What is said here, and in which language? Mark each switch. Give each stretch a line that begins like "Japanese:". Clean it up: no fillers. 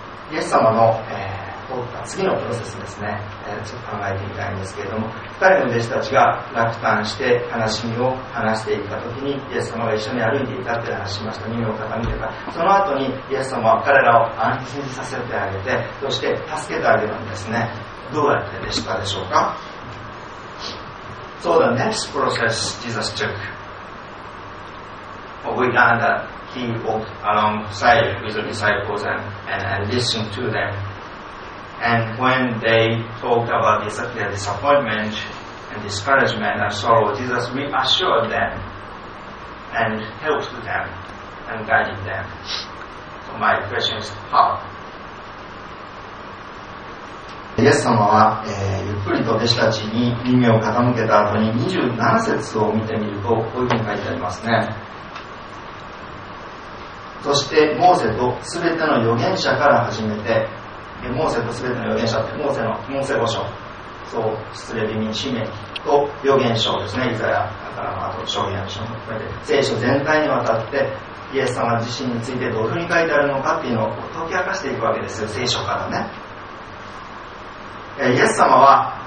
Japanese: イエス様の、次のプロセスですね、ちょっと考えてみたいんですけれども、2人の弟子たちが落胆して悲しみを話していたときに、イエス様が一緒に歩いていたって話しました。耳を傾けた、その後にイエス様は彼らを安心させてあげて、そして助けてあげるんですね。どうやってでしたでしょうか。
English: So the next process Jesus took, we learned thatHe walked alongside with the disciples and listened to them. And when they talked about their disappointment and discouragement and sorrow, Jesus reassured them and helped them and guided them. So my question is, how?
Japanese: イエス様は、ゆっくりと弟子たちに耳を傾けた後に27節を見てみると、こういうふうに書いてありますね。そしてモーセとすべての預言者から始めて、モーセとすべての預言者ってモーセ五章、そう失礼気味に新約と預言書ですね、イザヤだからあと証言書も含めて聖書全体にわたってイエス様自身についてどういうふうに書いてあるのかっていうのを解き明かしていくわけですよ、聖書からね。イエス様は